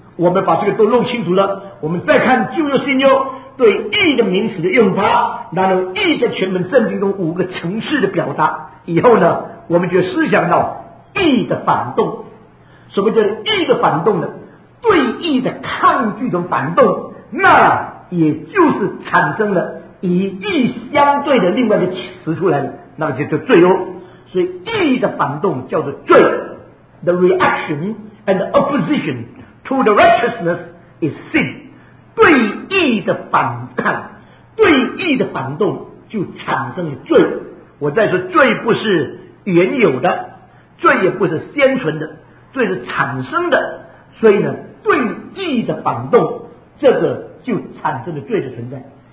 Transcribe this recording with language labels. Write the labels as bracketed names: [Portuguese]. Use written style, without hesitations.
[Chinese] 我们把这个都弄清楚了，我们再看旧约新约对义的名词的用法，然后义在全本圣经中五个层次的表达以后呢，我们就思想到义的反动。什么叫义的反动呢？对义的抗拒的反动，那也就是产生了以义相对的另外的词出来了，那就叫罪哦。所以义的反动叫做罪。 [English] The reaction and opposition to the righteousness is sin。 [Chinese] 对义的反抗，对义的反动就产生了罪。我再说，罪不是原有的，罪也不是先存的，罪是产生的。所以呢，对义的反动，这个就产生了罪的存在。